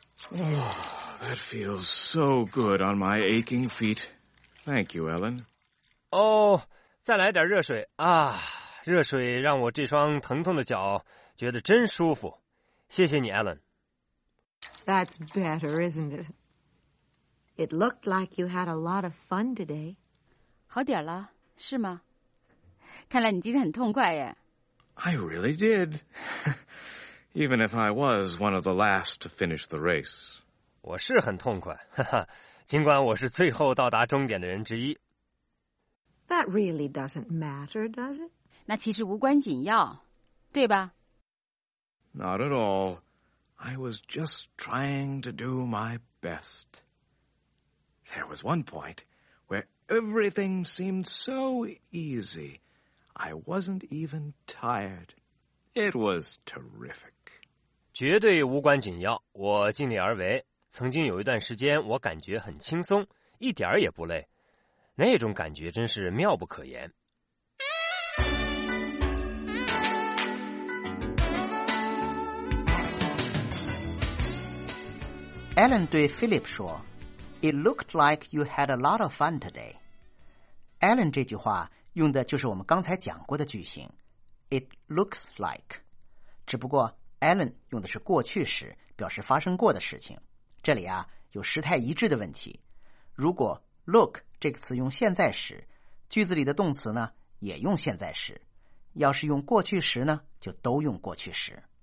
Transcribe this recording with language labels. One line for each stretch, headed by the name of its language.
English: That feels so good on my aching feet. Thank you, Ellen.
Chinese: 再来点热水啊。热水让我这双疼痛的脚觉得真舒服，谢谢你 Ellen。
English: That's better, isn't it? It looked like you had a lot of fun today.
Chinese: 好点了是吗？看来你今天很痛快耶。
English: I really did. Even if I was one of the last to finish the race.
Chinese: 我是很痛快，尽管我是最后到达终点的人之一。
English: That really doesn't matter, does it?
Chinese: 那其实无关紧要，对吧？
English: Not at all. I was just trying to do my best. There was one point where everything seemed so easy. I wasn't even tired. It was terrific.
Chinese: 绝对无关紧要，我尽力而为。曾经有一段时间，我感觉很轻松，一点儿也不累，那种感觉真是妙不可言。
English: Alan
Chinese: 对
English: Philip
Chinese: 说
English: ：“It looked like you had a lot of fun today。” Alan 这句话用的就是我们刚才讲过的句型 ， “It looks like”，只不过 Alan 用的是过去时，表示发生过的事情。这里啊有时态一致的问题。如果 “look” 这个词用现在时，句子里的动词呢也用现在时；要是用过去时呢，就都用过去时。